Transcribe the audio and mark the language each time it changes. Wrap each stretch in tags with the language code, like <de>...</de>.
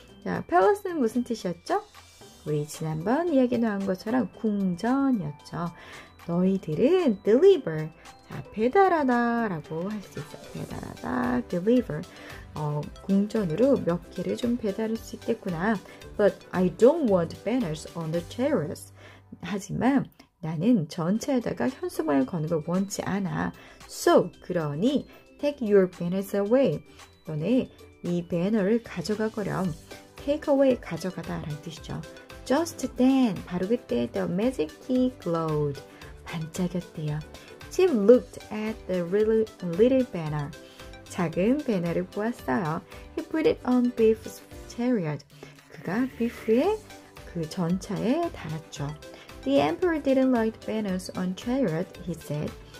<ko>자, palace는 무슨 뜻이었죠? 우리 지난번 이야기 나온 것처럼 궁전이었죠. 너희들은 deliver. 자, 배달하다 라고 할 수 있어요. 배달하다, deliver. 궁전으로 몇 개를 좀 배달할 수 있겠구나.</ko> <en>But I don't want banners on the chariots.</en> <ko>하지만 나는 전차에다가 현수막을 거는 걸 원치 않아.</ko> <en>So,</en> <ko>그러니</ko> <en>take your banners away.</en> <ko>너네 이 배너를 가져가거렴.</ko> <en>Take away,</en> <ko>가져가다 라는 뜻이죠.</ko> <en>Just then,</en> <ko>바로 그때</ko> <en>the magic key glowed.</en> <ko>반짝였대요.</ko> <en>She looked at the little banner.</en> <ko>작은 배너를 보았어요.</ko> <en>He put it on Biff's chariot.</en> <ko>그가 비프의 그 전차에 달았죠.</ko> <en>The emperor didn't like banners on chariot, he said.</en>